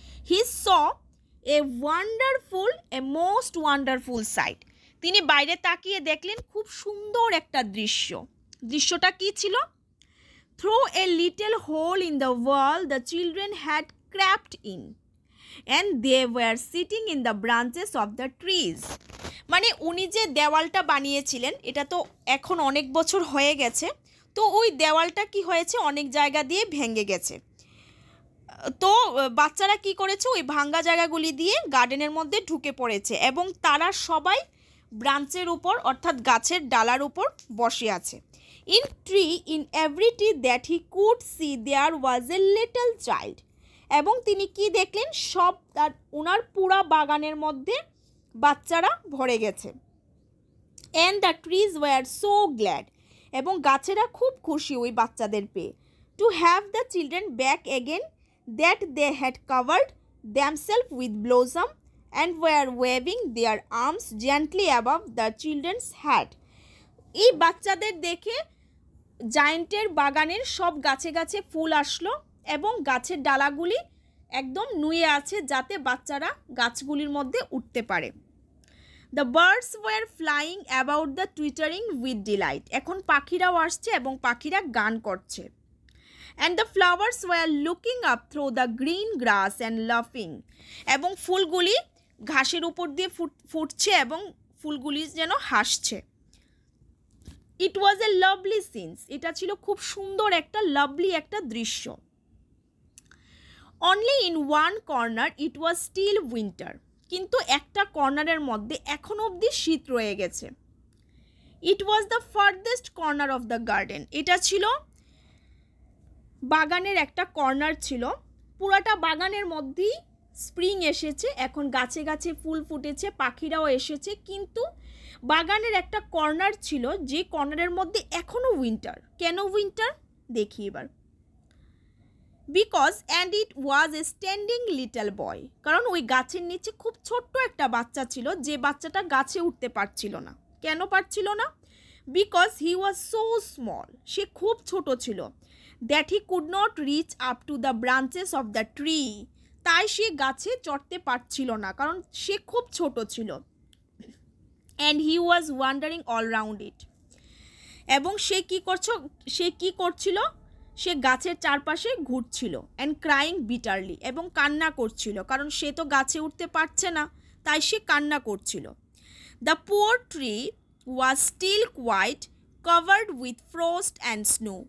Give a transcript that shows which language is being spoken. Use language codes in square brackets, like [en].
[en] he saw a wonderful a most wonderful sight, [bn] তিনি বাইরে তাকিয়ে দেখলেন খুব সুন্দর একটা দৃশ্য, দৃশ্যটা কী ছিল, [en] through a little hole in the wall the children had crept in and they were sitting in the branches of the trees, [bn] মানে উনি যে দেওয়ালটা বানিয়েছিলেন এটা তো এখন অনেক বছর হয়ে গেছে, তো ওই দেওয়ালটা কি হয়েছে, অনেক জায়গা দিয়ে ভেঙে গেছে, তো বাচ্চারা কি করেছে, ওই ভাঙ্গা জায়গাগুলি দিয়ে গার্ডেনের মধ্যে ঢুকে পড়েছে এবং তারা সবাই ব্রাঞ্চের উপর অর্থাৎ গাছের ডালার উপর বসে আছে, [en] In tree, in every tree that he could see, there was a little child. [bn] এবং তিনি কি দেখলেন, সব তার ওনার পুরা বাগানের মধ্যে বাচ্চারা ভরে গেছে। [en] And the trees were so glad. [bn] এবং গাছেরা খুব খুশি ওই বাচ্চাদের পেয়ে। [en] To have the children back again that they had covered themselves with blossom and were waving their arms gently above the children's head. [bn] এই বাচ্চাদের দেখে জায়ান্টের বাগানের সব গাছে গাছে ফুল আসলো এবং গাছের ডালাগুলি একদম নুয়ে আছে যাতে বাচ্চারা গাছগুলির মধ্যে উঠতে পারে। [en] The birds were flying about the twittering with delight. [bn] এখন পাখিরাও আসছে এবং পাখিরা গান করছে। [en] And the flowers were looking up through the green grass and laughing. [bn] এবং ফুলগুলি ঘাসের উপর দিয়ে ফুটছে এবং ফুলগুলি যেন হাসছে। [en] It was a lovely scene. [bn] এটা ছিল খুব সুন্দর একটা লাভলি একটা দৃশ্য। [en] Only in one corner it was still winter. [bn] কিন্তু একটা কর্নারের মধ্যে এখনো অবধি শীত রয়ে গেছে। [en] It was the furthest corner of the garden. [bn] এটা ছিল বাগানের একটা কর্নার ছিল। পুরাটা বাগানের মধ্যেই স্প্রিং এসেছে, এখন গাছে গাছে ফুল ফুটেছে, পাখিরাও এসেছে, কিন্তু বাগানের একটা কর্নার ছিল যে কর্নারের মধ্যে এখনো উইন্টার। কেন উইন্টার দেখি এবার। [en] Because and it was a standing little boy. [bn] কারণ ওই গাছের নিচে খুব ছোট্ট একটা বাচ্চা ছিল, যে বাচ্চাটা গাছে উঠতে পারছিল না। কেন পারছিল না? [en] Because he was so small. [bn] সে খুব ছোট ছিল। [en] That he could not reach up to the branches of the tree. [bn] তাই সে গাছে চড়তে পারছিল না, কারণ সে খুব ছোট ছিল। [en] And he was wandering all around it. [bn] এবং সে কি করছিল সে গাছের চারপাশে ঘুরছিল। [en] and crying bitterly, [bn] এবং কান্না করছিল, কারণ সে তো গাছে উঠতে পারছে না, তাই সে কান্না করছিল। [en] The poor tree was still quite covered with frost and snow.